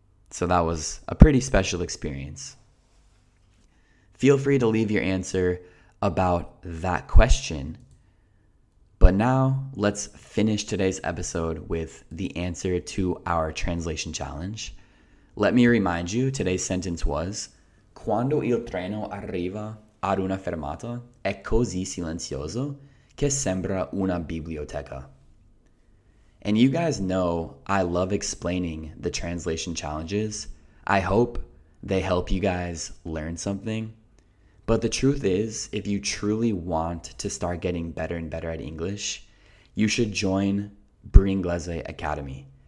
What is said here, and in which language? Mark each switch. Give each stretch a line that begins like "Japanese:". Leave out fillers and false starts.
English: So that was a pretty special experience. Feel free to leave your answer about that question. But now, let's finish today's episode with the answer to our translation challenge. Let me remind you, today's sentence was,
Italian: quando il treno arriva ad una fermata è così silenzioso che sembra una biblioteca.
English: And you guys know I love explaining the translation challenges. I hope they help you guys learn something. But the truth is, if you truly want to start getting better and better at English, you should join Bringlese Academy.